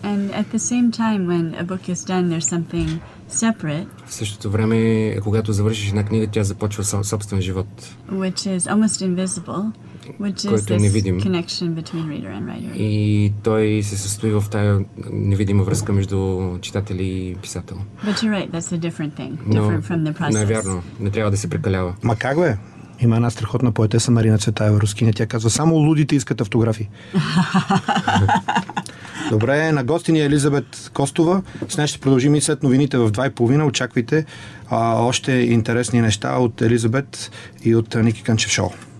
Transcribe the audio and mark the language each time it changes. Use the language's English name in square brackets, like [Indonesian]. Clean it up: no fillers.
[English] And at the same time, when a book is done, there's something separate. [Bulgarian] В същото време, когато завършиш една книга, тя започва собствен живот. [English] Which is almost invisible. Which is [Bulgarian] който не видим. [English] Connection between reader and writer. [Bulgarian] И той се състои в тая невидима връзка между читател и писател. [English] But you're right, that's a different thing. Different from the process. [Bulgarian] Навярно, не трябва да се прекалява. Ма как бе? Има една страхотна поетеса Марина Цветаева, рускиня. Тя казва, само лудите искат автографи. Добре, на гости ни е Елизабет Костова. С нея ще продължим и след новините в 2:30. Очаквайте още интересни неща от Елизабет и от Ники Кънчев Шоу.